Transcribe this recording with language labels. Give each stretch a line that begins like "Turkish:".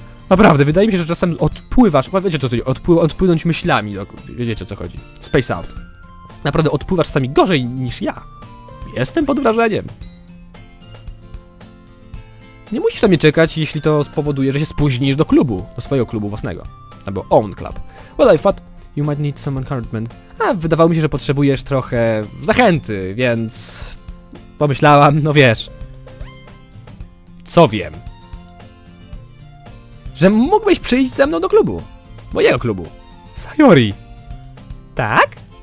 Polish: Naprawdę, wydaje mi się, że czasem odpływasz, wiecie co to jest, odpłynąć myślami, wiecie o co chodzi,
English: space out.
Polish: Naprawdę odpływasz sami gorzej niż ja. Jestem pod wrażeniem. Nie musisz na mnie czekać, jeśli to spowoduje, że się spóźnisz do klubu. Do swojego klubu własnego. Albo
English: own club. Well, I thought you might need some encouragement.
Polish: A wydawało mi się, że potrzebujesz trochę zachęty, więc... pomyślałam, no wiesz... co wiem? Że mógłbyś przyjść ze mną do klubu. Mojego klubu. Sayori. Tak?